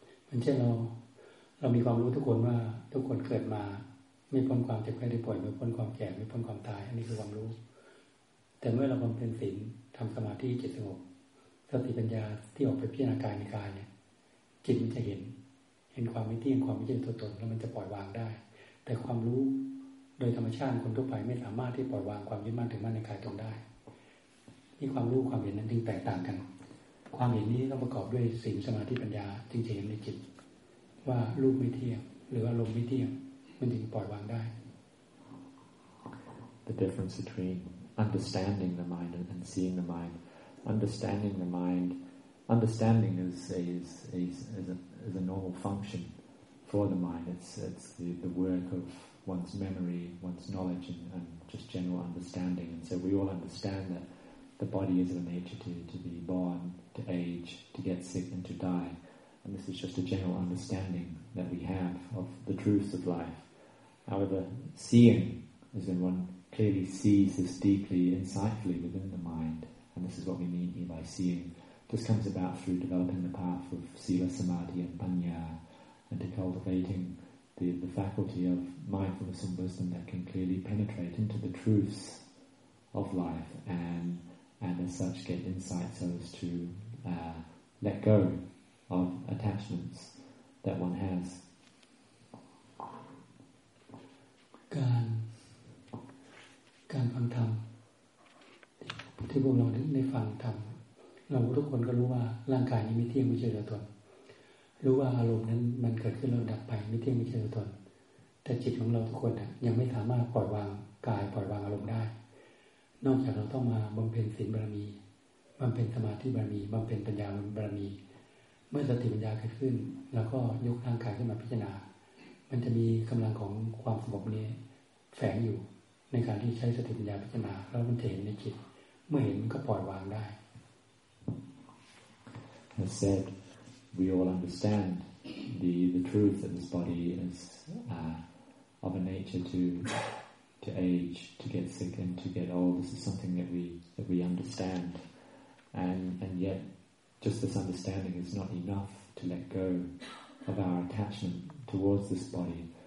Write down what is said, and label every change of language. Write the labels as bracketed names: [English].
[Thai] มันเช่นเรามีความรู้ทุกคนว่าทุกคนเกิดมาไม่พ้นความเจ็บไข้ได้ป่วยไม่พ้นความแก่ไม่พ้นความตายอันนี้คือความรู้แต่เมื่อเราบำเพ็ญศีลทำสมาธิจิตสงบสติปัญญาที่ออกไปพิจารณากายในกายเนี่ยจิตมันจะเห็นความไม่เที่ยงความไม่เป็นตัวตนแล้วมันจะปล่อยวางได้แต่ความรู้โดยธรรมชาติคนทั่วไปไม่สามารถที่ปล่อยวางความยึดมั่นถือมั่นในกายตรงได้ นี่ความรู้ความเห็นนั้นจึงแตกต่างกันความเห็นนี้ต้องประกอบด้วยศีลสมาธิปัญญาจึงจะเห็นในจิตว่ารูปไม่เที่ยงหรืออารมณ์ไม่เที่ยงมันถึงปล่อยวางได้ [English] The difference between understanding the mind and seeing the mind. Understanding the mind, understanding is a normal function for the mind. It's the work of one's memory, one's knowledge, and just general understanding. And so we all understand that the body is of a nature to be born. To age, to get sick, and to die, and this is just a general understanding that we have of the truths of life. However, seeing is when one clearly sees this deeply, insightfully within the mind, and this is what we mean here by seeing. This comes about through developing the path of sila, samadhi, and panya, and to cultivating the faculty of mindfulness and wisdom that can clearly penetrate into the truths of life and as such get insight so as to let go of attachments that one has. [Thai] การฟังธรรมที่พวกเราได้ฟังธรรมเราทุกคนก็รู้ว่าร่างกายนี้มีเที่ยงไม่เชื่อตัวตนรู้ว่าอารมณ์นั้นมันเกิดขึ้นแล้วดับไปมีเที่ยงไม่เชื่อตัวตนแต่จิตของเราทุกคนยังไม่สามารถปล่อยวางกายปล่อยวางอารมณ์ได้ นอกจากเราต้องมาบำเพ็ญศีลบารมีบำเพ็ญสมาธิบารมีบำเพ็ญปัญญาบารมีเมื่อสติปัญญาเกิดขึ้นเราก็ยกร่างกายขึ้นมาพิจารณามันจะมีกำลังของความสงบนี้แฝงอยู่ในการที่ใช้สติปัญญาพิจารณาแล้วมันจะเห็นในจิตเมื่อเห็นก็ปล่อยวางได้ [English] As said we all understand the truth that this body is of a nature to age, to get sick and to get old. This is something that we understand. And yet, just this understanding is not enough to let go of our attachment towards this body.